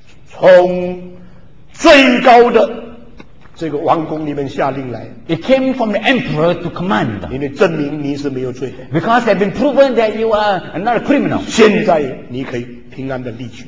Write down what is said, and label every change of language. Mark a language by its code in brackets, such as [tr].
[zh] 从最高的这个王宫里面下令来 [en] ，It came from the emperor to command. [zh] 因为证明你是没有罪 [en] ，Because they've been proven that you are not a criminal. [zh] 现在你可以平安的离去